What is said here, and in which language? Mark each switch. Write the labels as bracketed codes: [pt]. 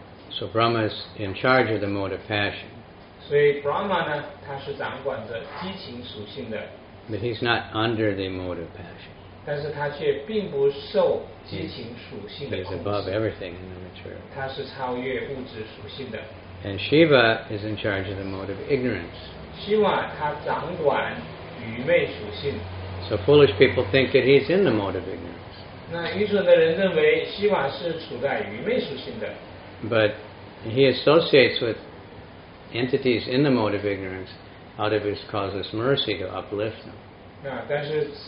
[en] So Brahma is in charge of the mode of passion. But he's not under the mode of passion. He's above everything in the material. [zh] 他是超越物质属性的. [en] And Shiva is in charge of the mode of ignorance. [zh] Shiva, 他掌管愚昧属性. [en] So foolish people think that he's in the mode of ignorance. [zh] 那愚蠢的人认为希瓦是处在愚昧属性的. [en] But he associates with entities in the mode of ignorance out of his causeless mercy to uplift them.